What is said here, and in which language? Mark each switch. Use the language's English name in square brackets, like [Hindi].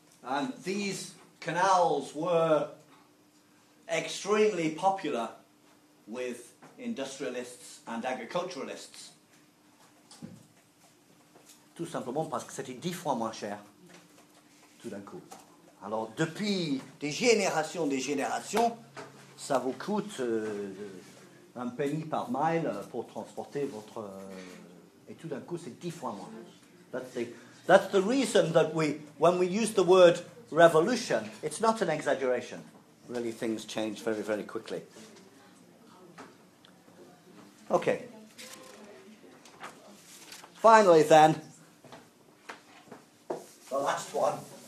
[English] And these canals were extremely popular with industrialists and agriculturalists. [French] Tout simplement parce que c'était 10 fois moins cher, tout d'un coup. Alors, depuis des générations, ça vous coûte un penny par mile pour transporter votre... Et tout d'un coup, c'est 10 fois moins. [English] That's the reason that we, when we use the word revolution, it's not an exaggeration. Really, things change very, very quickly. Okay. Finally, then, the last one.